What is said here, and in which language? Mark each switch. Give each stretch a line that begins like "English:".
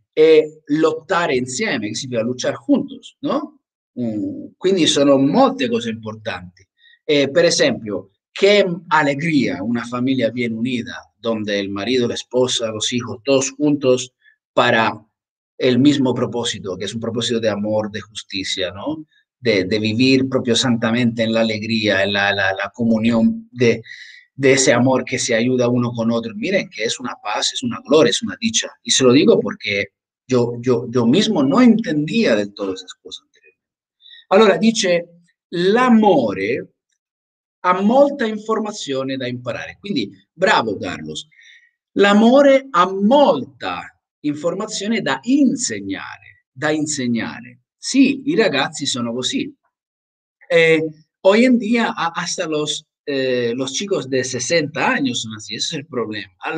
Italian: E lottare insieme, che significa
Spanish: luchar juntos, no?
Italian: Quindi sono molte cose importanti. Per esempio,
Spanish: che alegría una familia bien unida, donde el marido, la esposa, los hijos, todos juntos para el mismo propósito, que es un propósito de amor, de justicia, no? De vivir propio santamente en la alegría, en la comunión de ese amor que se ayuda uno con otro. Miren, que es una paz, es una gloria, es una dicha. Y se lo digo porque yo mismo no entendía del todo esas cosas anteriormente.
Italian: Allora, dice, l'amore ha molta informazione da imparare. Quindi, bravo Carlos, l'amore ha molta informazione da insegnare, da insegnare. Sì, i ragazzi sono così. Oggi in
Spanish: dia, hasta los chicos de 60 años sono así, eso es el problema.